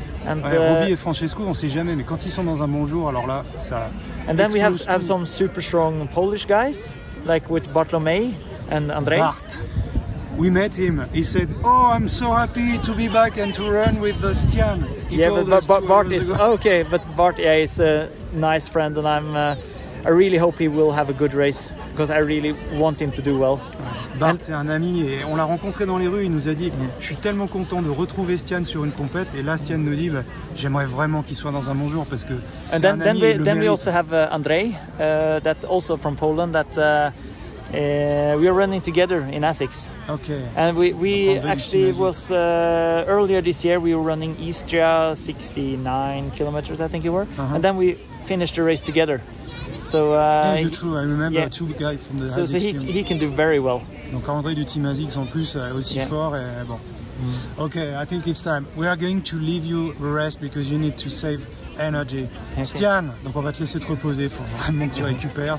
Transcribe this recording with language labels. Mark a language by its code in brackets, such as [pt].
[fr] Robbie et Francesco, on ne sait jamais, mais quand ils sont dans un bon jour, alors là, ça. [en] And then we have some super strong Polish guys, like with Bartlomei and Andrei. Bart, we met him. He said, "Oh, I'm so happy to be back and to run with Stian." But Bart is a nice friend, and I really hope he will have a good race. because I really want him to do well. [fr] Bart, c'est un ami et on l'a rencontré dans les rues. Il nous a dit, je suis tellement content de retrouver Stian sur une compète. Et là, Stian nous dit, bah, j'aimerais vraiment qu'il soit dans un bon jour parce que c'est [en] and then, [fr] un ami. [en] Then we, [fr] et le [en] then we also have André, that also from Poland, that we are running together in ASICS. Okay. And we actually was earlier this year we were running Istria 69 kilometers, I think it were, and then we finished the race together. So yeah, true. I remember two guys from the ASICS team. So he can do very well. [fr] Donc André du team ASICS en plus aussi fort et bon. [en] Okay, I think it's time. We are going to leave you rest because you need to save energy. Okay. [fr] Stian, donc on va te laisser te reposer. Il faut vraiment que tu récupères.